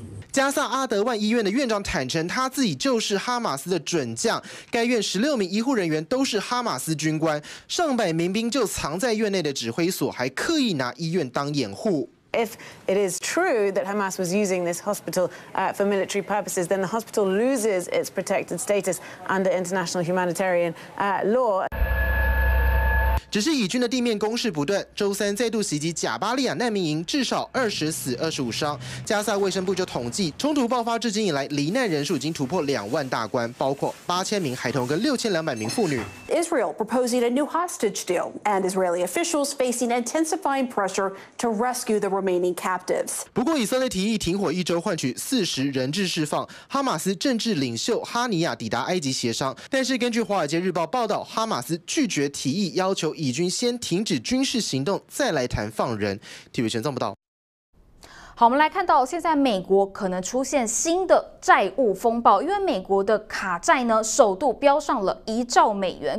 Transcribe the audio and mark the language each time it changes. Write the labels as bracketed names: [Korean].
[Chinese] 加萨阿德万医院的院长坦承，他自己就是哈马斯的准将。该院16名医护人员都是哈马斯军官，上百民兵就藏在院内的指挥所，还刻意拿医院当掩护。 [English] If it is true that Hamas was using this hospital for military purposes, then the hospital loses its protected status under international humanitarian law. [Chinese] 只是以军的地面攻势不断，周三再度袭击贾巴利亚难民营，至少20死25伤。加萨卫生部就统计，冲突爆发至今以来，罹难人数已经突破20000大关，包括8000名孩童跟6200名妇女。 [English] Israel proposing a new hostage deal, and Israeli officials facing intensifying pressure to rescue the remaining captives. [Chinese] 不过，以色列提议停火一周，换取40人质释放。哈马斯政治领袖哈尼亚抵达埃及协商，但是根据《华尔街日报》报道，哈马斯拒绝提议，要求以军先停止军事行动，再来谈放人。体育全报道。好，我们来看到现在美国可能出现新的债务风暴，因为美国的卡债呢首度飙上了1兆美元。